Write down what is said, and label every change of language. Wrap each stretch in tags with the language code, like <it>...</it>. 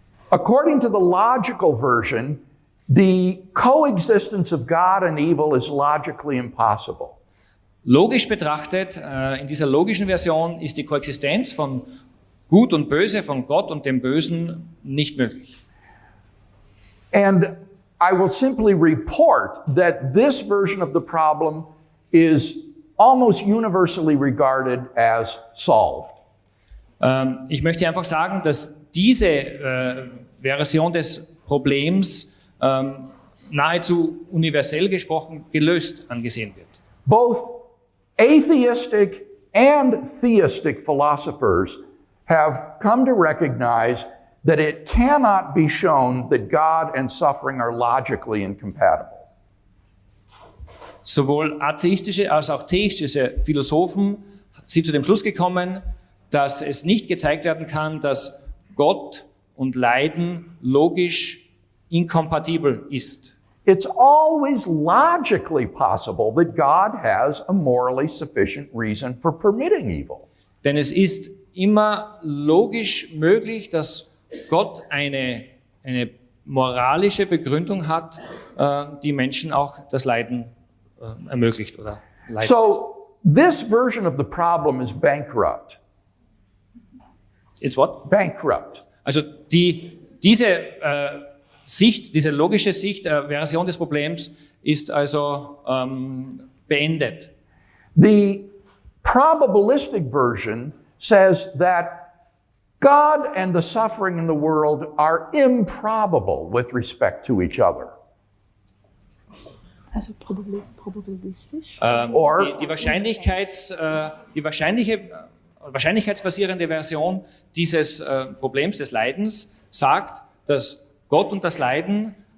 <en>According to the logical version, the coexistence of God and evil is logically impossible.</en> <de>Logisch betrachtet, in dieser logischen Version ist die Koexistenz von Gut und Böse, von Gott und dem Bösen nicht möglich.</de> <en>And I will simply report that this version of the problem is almost universally regarded as solved.</en> <de>Ich möchte einfach sagen, dass diese Version des Problems nahezu universell gesprochen gelöst angesehen wird.</de> <en>Both atheistic and theistic philosophers have come to recognize that it cannot be shown that God and suffering are logically incompatible.</en> <de>Sowohl atheistische als auch theistische Philosophen sind zu dem Schluss gekommen, dass es nicht gezeigt werden kann, dass Gott und Leiden logisch inkompatibel ist.</de> <en>It's always logically possible that God has a morally sufficient reason for permitting evil.</en> <de>Denn es ist immer logisch möglich, dass Gott eine moralische Begründung hat, die Menschen auch das Leiden ermöglicht oder leiden.</de> <en>So this version of the problem is bankrupt. It's what? Bankrupt.</en> <de>Also diese Sicht, diese logische Sicht, Version des Problems ist also beendet.</de> <en>The probabilistic version says that God and the suffering in the world are improbable with respect to each other.</en> <de>Also probabilistisch? Wahrscheinlichkeitsbasierende Version dieses Problems des Leidens sagt, dass Gott und das Leiden,</de>